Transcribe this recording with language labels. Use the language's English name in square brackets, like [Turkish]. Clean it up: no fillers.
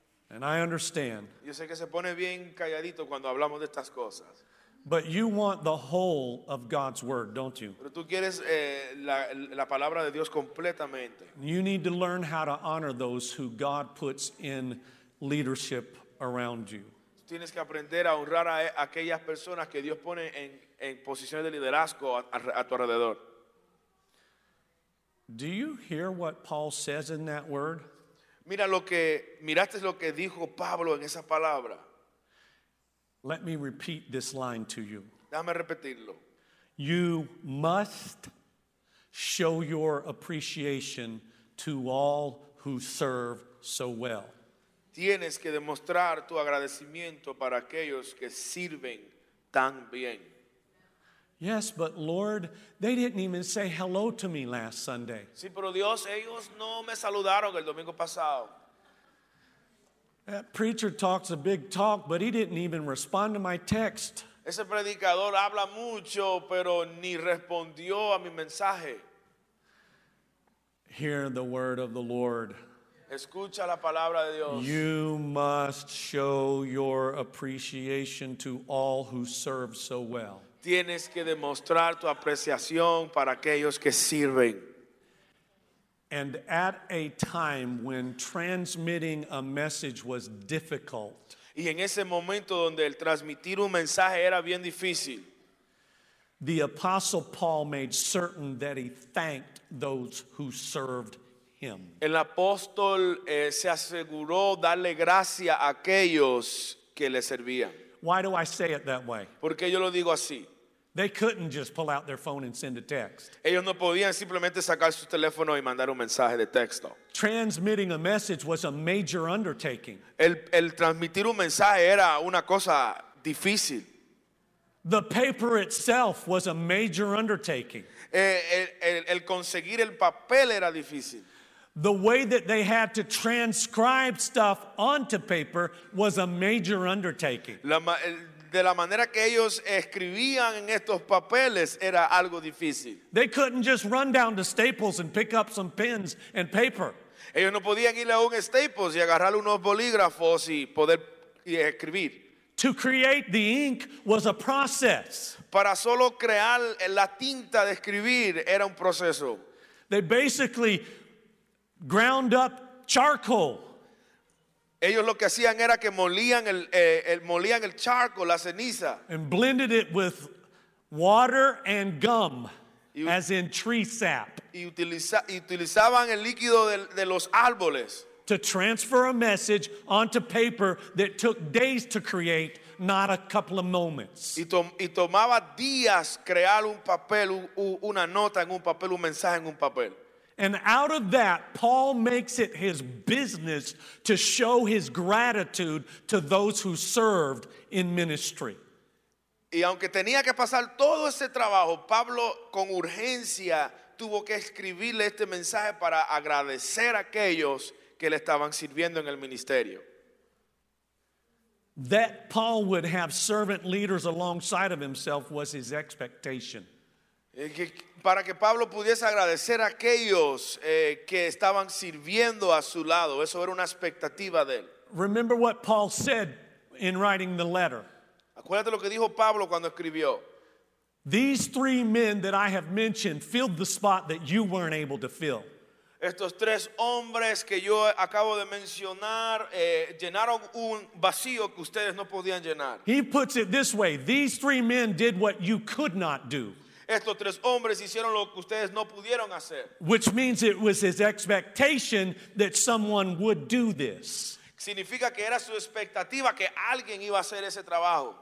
[English] And I understand. [Spanish] Yo sé que se pone bien calladito cuando hablamos de estas cosas. [English] But you want the whole of God's word, don't you? [Spanish] Pero tú quieres la palabra de Dios completamente. [English] You need to learn how to honor those who God puts in leadership around you. [Spanish] Tienes que aprender a honrar a aquellas personas que Dios pone en posiciones de liderazgo a tu alrededor. [English] Do you hear what Paul says in that word? [Spanish] Miraste lo que dijo Pablo en esa palabra. [English] Let me repeat this line to you. [Spanish] Déjame repetirlo. [English] You must show your appreciation to all who serve so well. [Spanish] Tienes que demostrar tu agradecimiento para aquellos que sirven tan bien. [English] Yes, but Lord, they didn't even say hello to me last Sunday. [Spanish] Sí, pero Dios, ellos no me saludaron el domingo pasado. [English] That preacher talks a big talk, but he didn't even respond to my text. [Spanish] Ese predicador habla mucho, pero ni respondió a mi mensaje. [English] Hear the word of the Lord. [Spanish] Escucha la palabra de Dios. [English] You must show your appreciation to all who serve so well. [Spanish] Tienes que demostrar tu apreciación para aquellos que sirven. [English] And at a time when transmitting a message was difficult. [Spanish] Y en ese momento donde el transmitir un mensaje era bien difícil. [English] The Apostle Paul made certain that he thanked those who served him. [Spanish] El apóstol se aseguró darle gracia a aquellos que le servían. [English] Why do I say it that way? [Spanish] Porque yo lo digo así. [English] They couldn't just pull out their phone and send a text. [Spanish] Ellos no podían simplemente sacar su teléfono y mandar un mensaje de texto. [English] Transmitting a message was a major undertaking. [Spanish] El transmitir un mensaje era una cosa difícil. [English] The paper itself was a major undertaking. [Spanish] El conseguir el papel era difícil. [English] The way that they had to transcribe stuff onto paper was a major undertaking. [Spanish] De la manera que ellos escribían en estos papeles era algo difícil. [English] They couldn't just run down to Staples and pick up some pens and paper. [Spanish] Ellos no podían ir a un Staples y agarrar unos bolígrafos y poder escribir. [English] To create the ink was a process. [Spanish] Para solo crear la tinta de escribir era un proceso. [English] They basically ground up charcoal. [Spanish] Ellos lo que hacían era que molían el charcoal, la ceniza. [English] And blended it with water and gum, as in tree sap. [Spanish] Y utilizaban el líquido de los árboles. [English] To transfer a message onto paper that took days to create, not a couple of moments. [Spanish] Y tomaba días crear un papel, una nota en un papel, un mensaje en un papel. [English] And out of that, Paul makes it his business to show his gratitude to those who served in ministry. [Spanish] Y aunque tenía que pasar todo ese trabajo, Pablo con urgencia tuvo que escribirle este mensaje para agradecer a aquellos que le estaban sirviendo en el ministerio. [English] That Paul would have servant leaders alongside of himself was his expectation. [Spanish] Para que Pablo pudiese agradecer a aquellos que estaban sirviendo a su lado, eso era una expectativa de él. [English] Remember what Paul said in writing the letter. [Spanish] Acuérdate lo que dijo Pablo cuando escribió. [English] These three men that I have mentioned filled the spot that you weren't able to fill. [Spanish] Estos tres hombres que yo acabo de mencionar llenaron un vacío que ustedes no podían llenar. [English] He puts it this way: these three men did what you could not do. [Spanish] Estos tres hombres hicieron lo que ustedes no pudieron hacer. [English] Which means it was his expectation that someone would do this. [Spanish] Significa que era su expectativa que alguien iba a hacer ese trabajo.